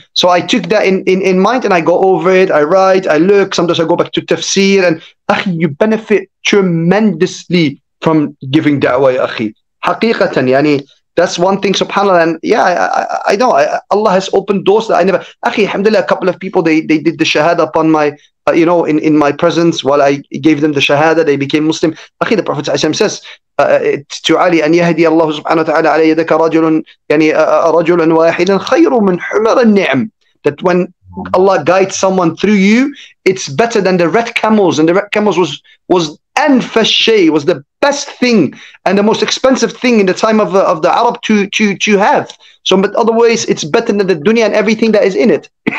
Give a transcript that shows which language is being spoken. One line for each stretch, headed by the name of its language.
English: So I took that in mind and I go over it, I write, I look, sometimes I go back to tafsir, and akhi, you benefit tremendously from giving da'wah, akhi. Haqiqatan, yani, that's one thing, subhanAllah. And yeah, I know, Allah has opened doors that I never, akhi, alhamdulillah, a couple of people, they did the shahada upon my, you know, in my presence, while I gave them the shahada, they became Muslim. Akhi, the Prophet says, to Ali,
Arabic: أن يهدي الله سبحانه وتعالى على يدك رجل يعني رجل واحد خير من حمر النعم.
English: That when Allah guides someone through you, it's better than the red camels. And the red camels was anfashay, was the best thing and the most expensive thing in the time of the Arab to have. So, but otherwise, it's better than the dunya and everything that is in it.